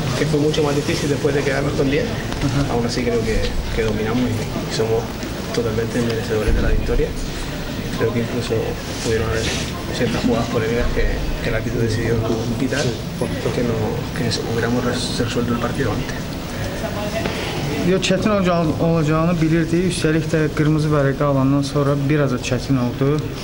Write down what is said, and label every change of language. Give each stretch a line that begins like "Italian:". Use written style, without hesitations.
Spanish: fue mucho más difícil después de quedarnos con 10. Uh-huh. Aún así creo que dominamos y somos totalmente merecedores de la victoria. Creo que incluso pudieron haber ciertas jugadas polémicas que la actitud decidió quitar, porque no, que hubiéramos resuelto el partido antes.
Azerbaijani: Yo çətin olacağını bilirdi. Üstəlik də qırmızı vərəqə alandan sonra bir az da çətin oldu.